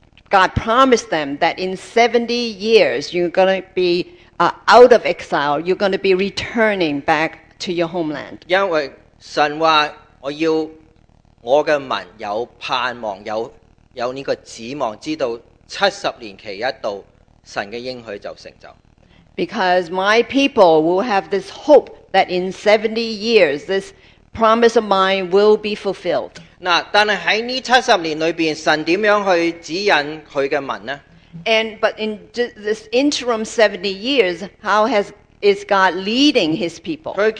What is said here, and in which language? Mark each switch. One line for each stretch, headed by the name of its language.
English: God promised them that in 70 years, you're going to be out of exile, you're going to be returning back to your homeland.
Chinese: 因为神说，我要我的民有盼望，有这个指望，知道70年期一到，神的应许就成就。
English: Because my people will have this hope that in 70 years, this promise of mine will be fulfilled.
Chinese: 但是在这70年里面，神怎么样去指引他的民呢？
English: But in this interim 70 years, how is God leading his people?